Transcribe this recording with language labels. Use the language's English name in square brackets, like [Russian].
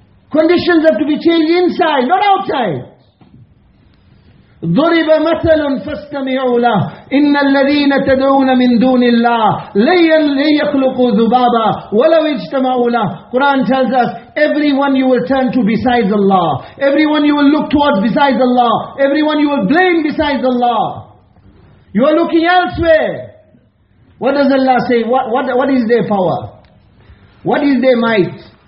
[English] Conditions have to be changed inside, not outside. [Arabic] ضرب مثل فاستمعوا له إن الذين تدعون من دون الله لن يخلقوا ذبابا ولو اجتمعوا له. [English] Quran tells us, everyone you will turn to besides Allah, everyone you will look towards besides Allah, everyone you will blame besides Allah, you are looking elsewhere. What does Allah say? What is their power? What is their might?